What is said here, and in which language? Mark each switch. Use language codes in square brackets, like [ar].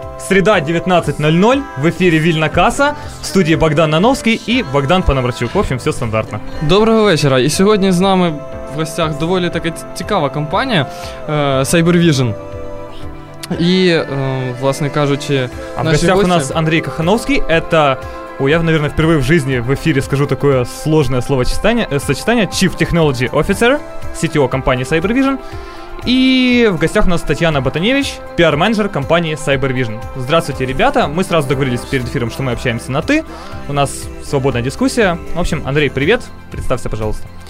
[ru] Среда, 19.00, в эфире «Вильна каса», в студии Богдан Нановский и Богдан Панамарчук. В общем, все стандартно. [uk] Доброго вечора! І сьогодні з нами в гостях доволі така цікава компанія CyberVision. І, власне кажучи, а наші гості... [ru] В гостях у нас Андрій Кахановський, это... Ой, я, наверное, впервые в жизни в эфире скажу такое сложное сочетание. Chief Technology Officer, CTO компании CyberVision. И в гостях у нас Татьяна Батаневич, PR-менеджер компании CyberVision. Здравствуйте, ребята. Мы сразу договорились перед эфиром, что мы общаемся на «ты». У нас свободная дискуссия. В общем, Андрей, привет. Представься, пожалуйста.